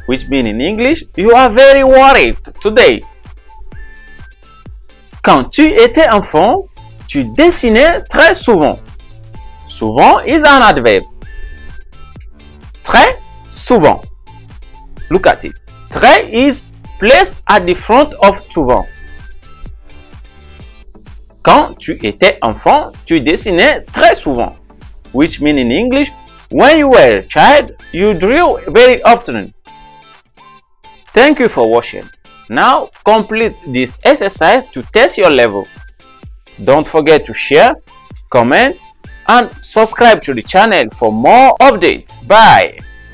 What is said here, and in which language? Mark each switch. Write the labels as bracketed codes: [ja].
[en] Which means in English, you are very worried today. [fr] Quand tu étais enfant, tu dessinais très souvent. [en] Souvent is an adverb. Très souvent. Look at it. Très is placed at the front of souvent. [fr] Quand tu étais enfant, tu dessinais très souvent. [en] Which means in English, when you were a child, you drew very often. Thank you for watching. Now, complete this exercise to test your level. Don't forget to share, comment, and subscribe to the channel for more updates. Bye!